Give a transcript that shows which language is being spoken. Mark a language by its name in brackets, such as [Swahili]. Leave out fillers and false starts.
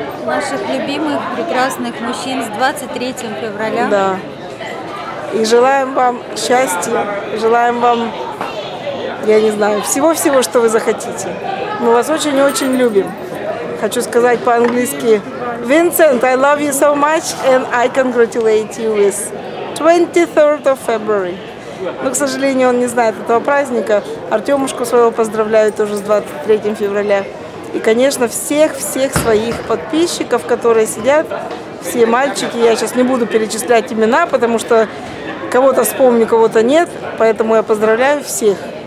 [Russian] Наших любимых, прекрасных мужчин с 23 февраля. Да. И желаем вам счастья, желаем вам, я не знаю, всего-всего, что вы захотите. Мы вас очень-очень любим. Хочу сказать по-английски. [English] Vincent, I love you so much, and I congratulate you with 23rd of February. [Russian] Но, к сожалению, он не знает этого праздника. Артемушку своего поздравляю тоже с 23 февраля. И, конечно, всех-всех своих подписчиков, которые сидят, все мальчики, я сейчас не буду перечислять имена, потому что кого-то вспомню, кого-то нет, поэтому я поздравляю всех.